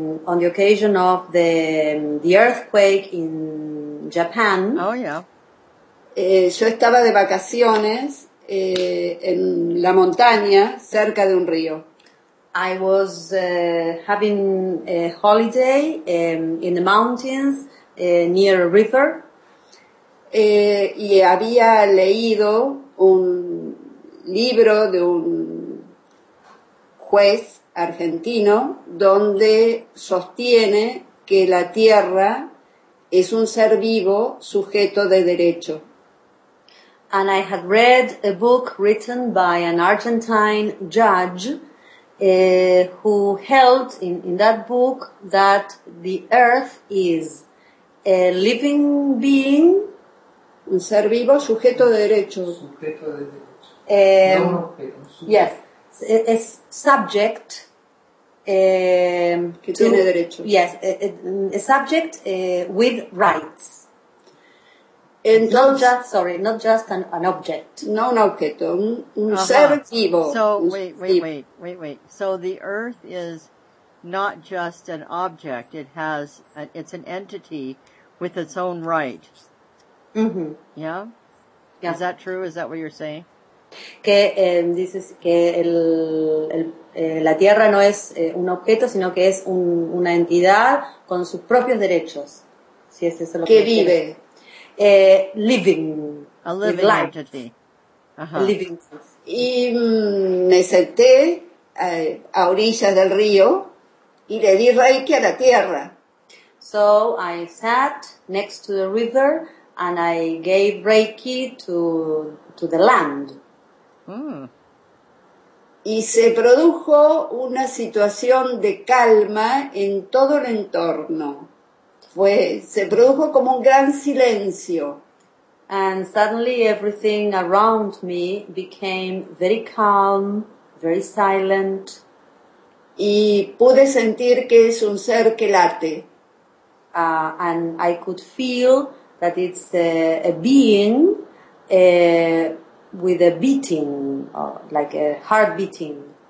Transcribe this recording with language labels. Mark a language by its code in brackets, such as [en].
[en] On the occasion of the earthquake in Japan. Oh, yeah. [es] Yo estaba de vacaciones en la montaña cerca de un río. [en] I was having a holiday in the mountains near a river. [es] Y había leído un libro de un juez argentino, donde sostiene que la tierra es un ser vivo sujeto de derecho. [en] And I had read a book written by an Argentine judge who held in that book that the earth is a living being, [es] un ser vivo sujeto de derecho. Sujeto de derecho. [en] Yes. [es] Es [en] subject [es] que tiene derecho. [en] Yes, a subject with rights. [es] Entonces, [en] not just an object. [es] No, un objeto, un ser vivo. [en] So wait. So the earth is not just an object. It has it's an entity with its own right. Mm-hmm. Yeah? Yeah. Is that true? Is that what you're saying? [es] Que dices que la tierra no es un objeto, sino que es una entidad con sus propios derechos. Si es eso lo que vive. [en] Living. A living life. Entity. Uh-huh. Living. [es] Y me senté a orillas del río y le di Reiki a la tierra. [en] So I sat next to the river and I gave Reiki to the land. [es] Y se produjo una situación de calma en todo el entorno. Se produjo como un gran silencio. [en] And suddenly everything around me became very calm, very silent. [es] y pude sentir que es un ser que late. [en] And I could feel that it's a being with a beating, like a heart beating.